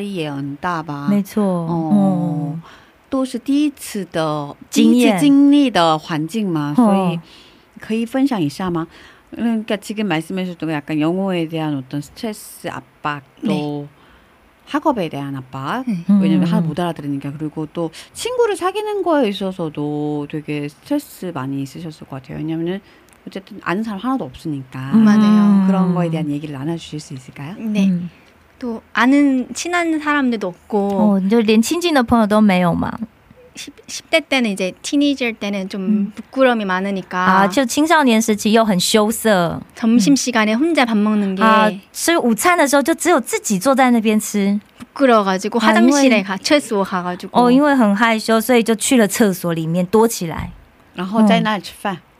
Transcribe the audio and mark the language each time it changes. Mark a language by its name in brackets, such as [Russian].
[Chinese] 아就在老师问的时候他就觉得啊实在是很害羞很丢脸他觉得回答不出来这样子嗯所以刚到的时候学习方面的压力也蛮大吧语言方面的压力也很大然后应该交朋友方面的压力也很大吧没错嗯 都是第一次的经历的环境嘛，所以可以分享一下吗？ [Korean] 그러니까 지금 말씀하셨던 거 약간 영어에 대한 어떤 스트레스 압박도 학업에 대한 압박 왜냐면 하나 못 알아들으니까 그리고 또 친구를 사귀는 거에 있어서도 되게 스트레스 많이 있으셨을 것 같아요. 왜냐면은 어쨌든 아는 사람 하나도 없으니까 맞아요. 그런 거에 대한 얘기를 나눠주실 수 있을까요? 네. 또 아는 친한 사람들도 없고 [Chinese] 连亲近的朋友都没有吗? [Korean] 10대 때는 이제 티니저 때는 좀 부끄러움이 많으니까 [Chinese] 아,就青少年时期又很羞涩 [Korean] 점심시간에 혼자 밥 먹는 게 [Chinese] 吃午餐的时候就只有自己坐在那边吃 부끄러워가지고 화장실에 가 厕所 가가지고 因为很害羞所以就去了厕所里面躲起来然后在那里吃饭